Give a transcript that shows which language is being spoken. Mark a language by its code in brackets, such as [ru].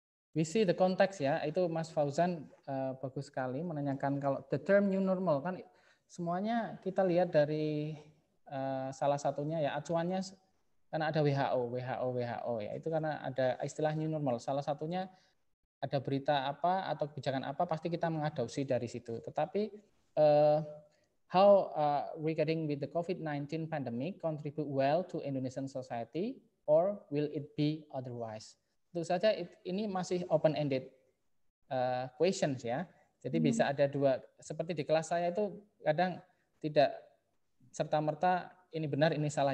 [en] We see the context [id] ya, itu Mas Fauzan bagus sekali menanyakan kalau the term new normal kan semuanya kita lihat dari salah satunya ya acuannya karena ada WHO ya itu karena ada istilah new normal salah satunya ada berita apa atau kebijakan apa pasti kita mengadopsi dari situ. [en] Tetapi how regarding with the COVID-19 pandemic contribute well to Indonesian society or will it be otherwise? [id] Tentu saja ini masih open-ended questions ya. Jadi bisa ada dua, seperti di kelas saya itu kadang tidak serta-merta ini benar, ini salah.